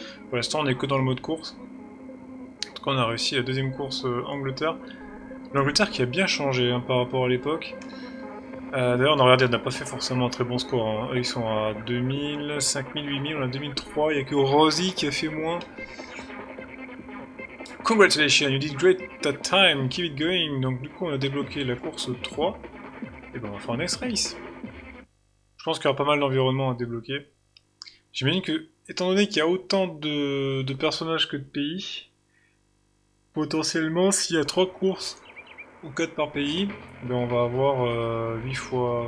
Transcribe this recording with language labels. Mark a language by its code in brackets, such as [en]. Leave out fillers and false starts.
[fr] Pour l'instant, on est que dans le mode course. En tout cas, on a réussi la deuxième course Angleterre. L'Angleterre qui a bien changé hein, par rapport à l'époque. D'ailleurs, on a regardé, on n'a pas fait forcément un très bon score. Hein. Ils sont à 2000, 5000, 8000, on a 2003. Il n'y a que Rosie qui a fait moins. [en] Congratulations, you did great that time. Keep it going. [fr] Donc, du coup, on a débloqué la course 3. Et ben, on va faire un [en] next race. [fr] Je pense qu'il y aura pas mal d'environnements à débloquer. J'imagine que, étant donné qu'il y a autant de personnages que de pays, potentiellement, s'il y a 3 courses ou 4 par pays, ben on va avoir 8 fois...